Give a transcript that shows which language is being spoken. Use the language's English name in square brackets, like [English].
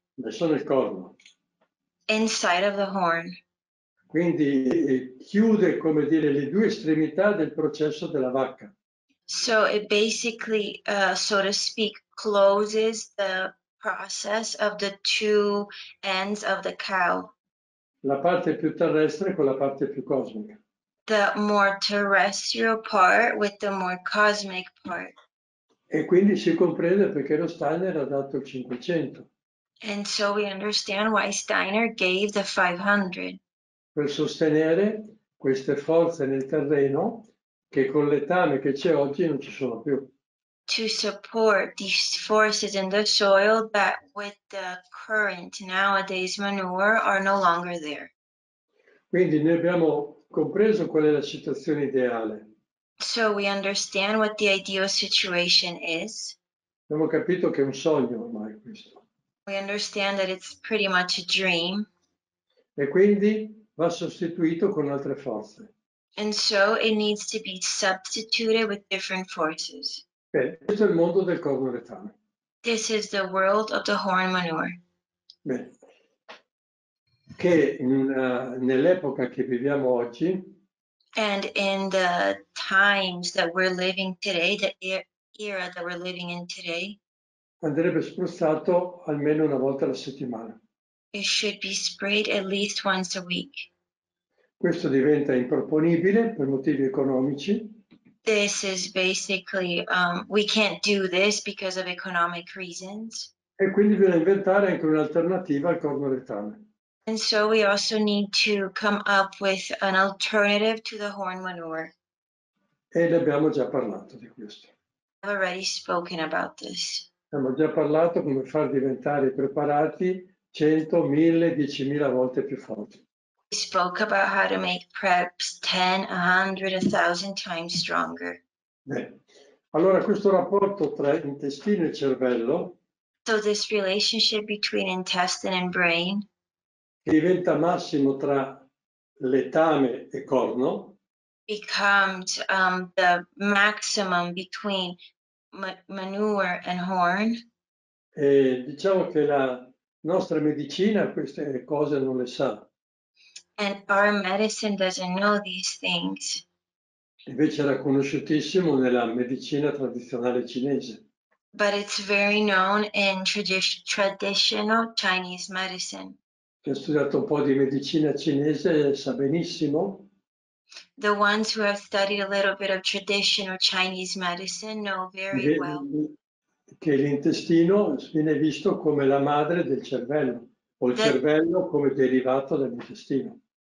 [Italian] Adesso nel corno. [English] Inside of the horn. [Italian] Quindi chiude, come dire, le due estremità del processo della vacca. [English] So it basically, so to speak, closes the process of the two ends of the cow. [Italian] La parte più terrestre con la parte più cosmica. [English] The more terrestrial part with the more cosmic part. [Italian] E quindi si comprende perché lo Steiner ha dato il 500. [English] And so we understand why Steiner gave the 500. [Italian] Per sostenere queste forze nel terreno che con l'etame che c'è oggi non ci sono più. [English] To support these forces in the soil that with the current nowadays manure are no longer there. [Italian] Quindi noi abbiamo compreso qual è la situazione ideale. [English] So we understand what the ideal situation is. [Italian] Abbiamo capito che è un sogno ormai questo. [English] We understand that it's pretty much a dream. [Italian] E quindi va sostituito con altre forze. [English] And so it needs to be substituted with different forces. [Italian] Bene, questo è il mondo del corno letame. [English] This is the world of the horn manure. [Italian] Bene. Che nell'epoca che viviamo oggi. [English] And in the times that we're living today, the era that we're living in today. [Italian] Andrebbe spruzzato almeno una volta alla settimana. [English] It should be sprayed at least once a week. [Italian] Questo diventa improponibile per motivi economici. [English] This is basically, we can't do this because of economic reasons. [Italian] E quindi bisogna inventare anche un'alternativa al corno letame. [English] And so we also need to come up with an alternative to the horn manure. [Italian] E ne abbiamo già parlato di questo. [English] I've already spoken about this. [Italian] Abbiamo già parlato come far diventare i preparati 100, 1000, 10.000 volte più forti. [English] Spoke about how to make preps 10, 100, 1000 times stronger. [Italian] Beh, allora questo rapporto tra intestino e cervello. [English] So this relationship between intestine and brain. [Italian] Diventa massimo tra letame e corno. [English] Becomes the maximum between manure and horn. [Italian] E diciamo che la nostra medicina queste cose non le sa. [English] And our medicine doesn't know these things. [Italian] Invece era conosciutissimo nella medicina tradizionale cinese. [English] But it's very known in traditional Chinese medicine. [Italian] Chi ha studiato un po' di medicina cinese sa benissimo. [English] The ones who have studied a little bit of traditional Chinese medicine know very well. [Italian] Che l'intestino viene visto come la madre del cervello, o il cervello come derivato dall'intestino.